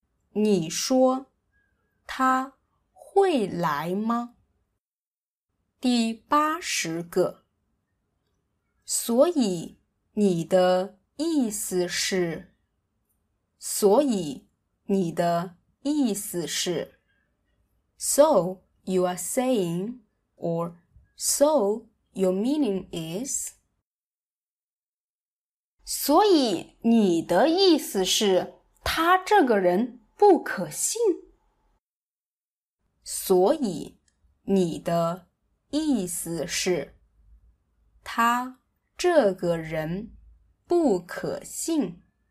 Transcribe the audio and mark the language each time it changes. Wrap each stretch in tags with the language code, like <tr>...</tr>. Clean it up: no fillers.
<zh>你说他会来吗？第八十个，所以你的意思是。所以你的意思是。</zh> <en>So you are saying, or so your meaning is?</en> <zh>所以你的意思是他这个人不可信。所以你的意思是他这个人不可信。</zh>